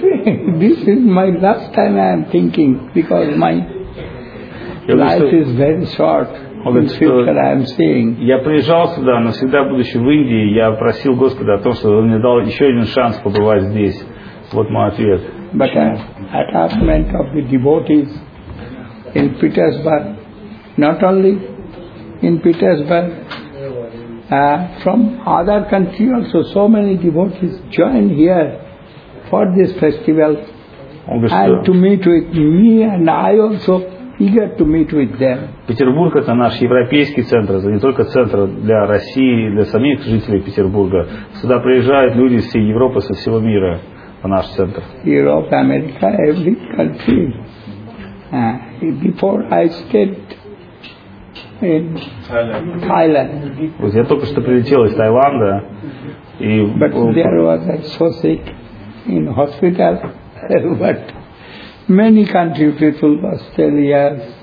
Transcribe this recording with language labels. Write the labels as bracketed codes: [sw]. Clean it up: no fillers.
[en] This is my last time I am thinking because my life is very short. [ru] Он говорит, что я приезжал сюда, но всегда будучи в Индии, я просил Господа о том, чтобы Он мне дал еще один шанс побывать здесь. Вот мой ответ. [en] But an attachment of the devotees in Petersburg, not only in Petersburg, from other country also, so many devotees joined here for this festival and to meet with me and I also. Eager to meet with them. [ru] Петербург — это наш европейский центр, это не только центр для России, для самих жителей Петербурга. Сюда приезжают люди из всей Европы, со всего мира в наш центр. [en] Europe, America, every country. Before I stayed in Thailand. [ru] Вот я только что прилетел из Таиланда. И [en] but there was so sick in hospital, but many country people were still here.